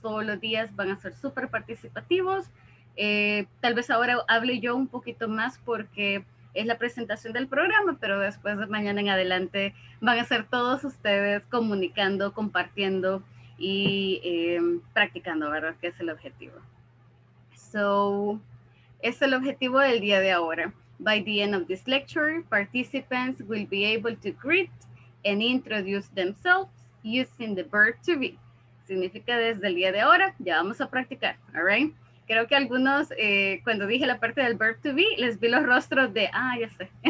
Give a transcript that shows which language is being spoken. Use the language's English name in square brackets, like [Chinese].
[Spanish] Todos los días van a ser súper participativos. Tal vez ahora hable yo un poquito más porque es la presentación del programa, pero después de mañana en adelante van a ser todos ustedes comunicando, compartiendo y practicando, ¿verdad? Que es el objetivo. So, es el objetivo del día de ahora. [English] By the end of this lecture, participants will be able to greet and introduce themselves using the verb to be. [Spanish] Significa desde el día de ahora, ya vamos a practicar, [English] all right? [Spanish] Creo que algunos, cuando dije la parte del verb to be, les vi los rostros de, ah, ya sé.